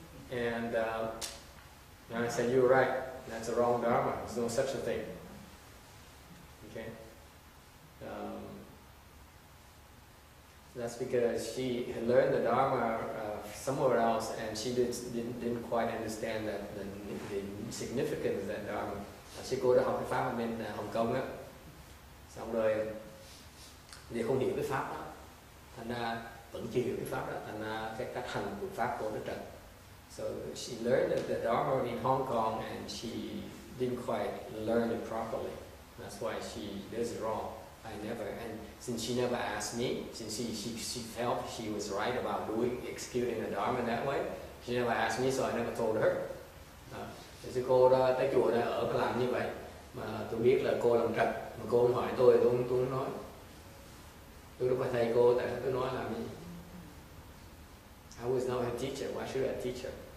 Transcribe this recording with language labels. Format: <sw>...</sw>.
<en>And I said, you're right, that's a wrong dharma, there's no such a thing. Okay? That's because she had learned the dharma somewhere else and she didn't quite understand that the significance of that dharma.</en> <vi>Sư cô đã học cái pháp ở bên Hồng Kông á, xong rồi thì không hiểu cái pháp đó, thành ra vẫn chưa hiểu cái pháp đó, thành ra cái cách hành của pháp cô đã trật.</vi> <en>So she learned the Dharma in Hong Kong and she didn't quite learn it properly. That's why she does it wrong. Since she never asked me, since she felt she was right about doing executing the Dharma that way, she never asked me, so I never told her.</en> <vi>Sư cô đó tới chùa đó ở làm như vậy mà tôi biết là cô làm trật mà cô không hỏi tôi nói tôi đâu phải thầy cô tại sao tôi nói làm gì.</vi> <en>I was not her teacher, why should I teach her?</en>